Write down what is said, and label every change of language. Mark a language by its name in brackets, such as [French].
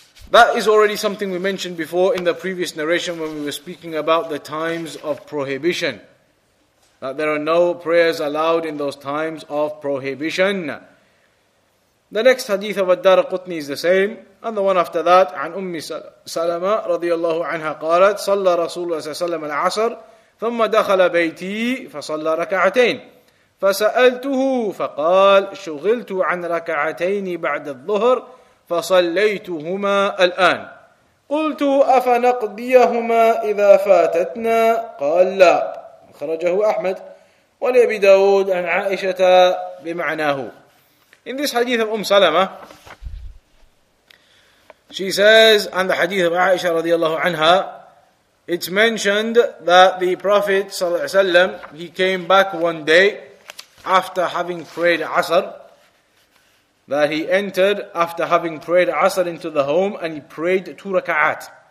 [English] That is already something we mentioned before in the previous narration when we were speaking about the times of prohibition. That there are no prayers allowed in those times of prohibition. The next hadith of Ad-Darqutni is the same. And the one after that, [Arabic] عن أم سلمة رضي الله عنها قالت صلى رسول الله صلى الله عليه وسلم العصر ثم دخل بيتي فصلى ركعتين فسألته فقال شغلت عن ركعتين بعد الظهر فصليتهما الآن قلت أفنقضيهما إذا فاتتنا قال لا أخرجه أحمد ولأبي داود عن عائشة بمعناه. [English] In this hadith of Salama, she says, and the hadith of Aisha radiallahu anha, it's mentioned that the Prophet sallallahu alaihi wasallam, he came back one day after having prayed Asr, that he entered after having prayed Asr into the home and he prayed two raka'at.